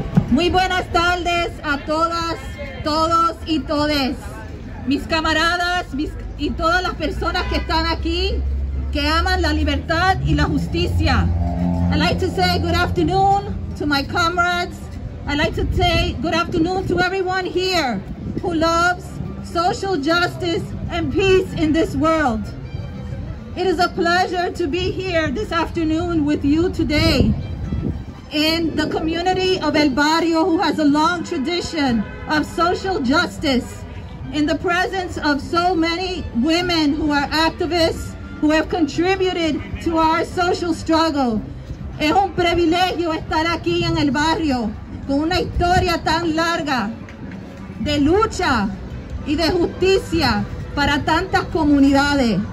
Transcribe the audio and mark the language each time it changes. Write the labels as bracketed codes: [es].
[es] Muy buenas tardes a todas, todos y todes. Mis camaradas y todas las personas que están aquí, que aman la libertad y la justicia. [en] I'd like to say good afternoon to my comrades. I'd like to say good afternoon to everyone here who loves social justice and peace in this world. It is a pleasure to be here this afternoon with you today in the community of El Barrio, who has a long tradition of social justice, in the presence of so many women who are activists, who have contributed to our social struggle. [es] Es un privilegio estar aquí en El Barrio con una historia tan larga de lucha y de justicia para tantas comunidades.